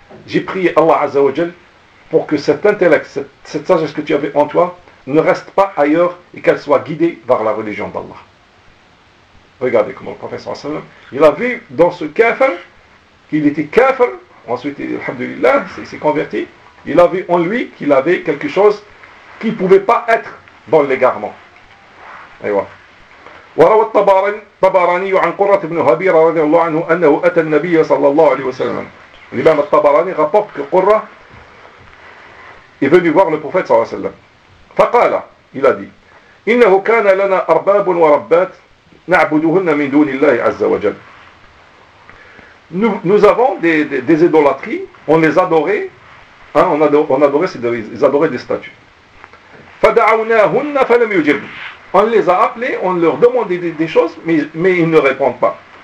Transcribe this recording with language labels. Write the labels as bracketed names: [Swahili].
[French] J'ai prié Allah Azza wa Jal pour que cet intellect, cette sagesse que tu avais en toi ne reste pas ailleurs et qu'elle soit guidée vers la religion d'Allah. Regardez comment le prophète sallallahu alayhi wa sallam, il a vu dans ce kafir qu'il était kafir, ensuite, alhamdoulilah, il s'est converti. Il a vu en lui qu'il avait quelque chose qui ne pouvait pas être dans l'égarement. [Arabic] Aywa. وروى الطبراني عن قرة بن هبير رضي الله عنه أنه أتى النبي صلى الله عليه وسلم. [French] الإمام الطبراني rapporte que قرة est venu voir le prophète صلى الله عليه وسلم. [Arabic] فقال, [French] il a dit, [Arabic] إنه كان لنا أرباب وربات نعبدهن من دون الله عز وجل. [French] Nous avons des idolâtries, on les adorait, hein, ils adoraient des statues. [Arabic] فدعوناهن فلم يجبن. [French] On les a appelés, on leur demandait des choses, mais ils ne répondent pas.